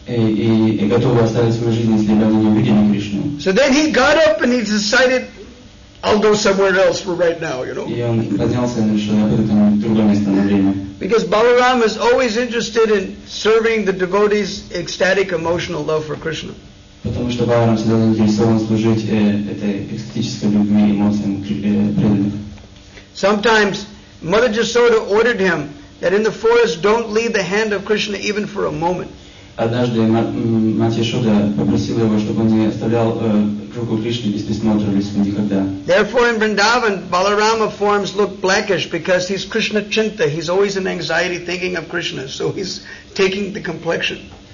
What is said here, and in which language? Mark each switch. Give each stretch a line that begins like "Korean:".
English: So then he got up and he decided, I'll go somewhere else for right now, you know. Because Balaram is always interested in serving the devotees' ecstatic emotional love for Krishna.
Russian: Потому что Баларам всегда заинтересован служить этой экстатической любви, эмоциям преданных.
English: Sometimes Mother Yasoda ordered him that in the forest don't leave the hand of Krishna even for a moment.
Russian: Однажды мать Яшода попросила его, чтобы он не оставлял руку Кришны без присмотра лесу никогда.
English: Therefore in Vrindavan, Balarama forms look blackish because he's Krishna Chinta. He's always in anxiety thinking of Krishna, so he's taking the complexion.